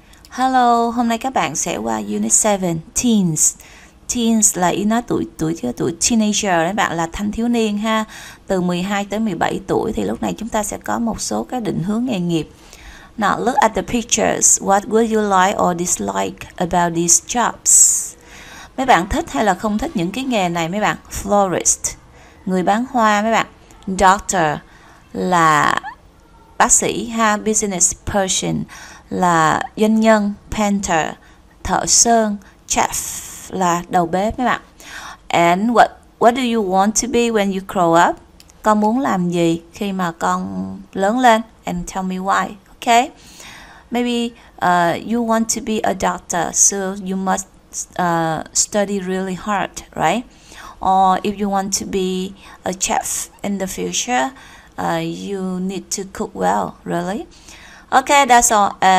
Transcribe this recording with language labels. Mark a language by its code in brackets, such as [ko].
[vi] Hello, hôm nay các bạn sẽ qua Unit 7, Teens. Teens là ý nói tuổi tuổi tuổi teenager đấy bạn, là thanh thiếu niên ha. Từ 12 tới 17 tuổi thì lúc này chúng ta sẽ có một số cái định hướng nghề nghiệp. [en] Now, look at the pictures. What would you like or dislike about these jobs? [vi] Mấy bạn thích hay là không thích những cái nghề này mấy bạn? Florist, người bán hoa mấy bạn. Doctor là bác sĩ ha. Business person là doanh nhân, painter, thợ sơn, chef là đầu bếp mấy bạn. [en] And what do you want to be when you grow up? [vi] Con muốn làm gì khi mà con lớn lên? [en] And tell me why, okay? Maybe you want to be a doctor, so you must study really hard, right? Or if you want to be a chef in the future, you need to cook well, really? Okay, that's all.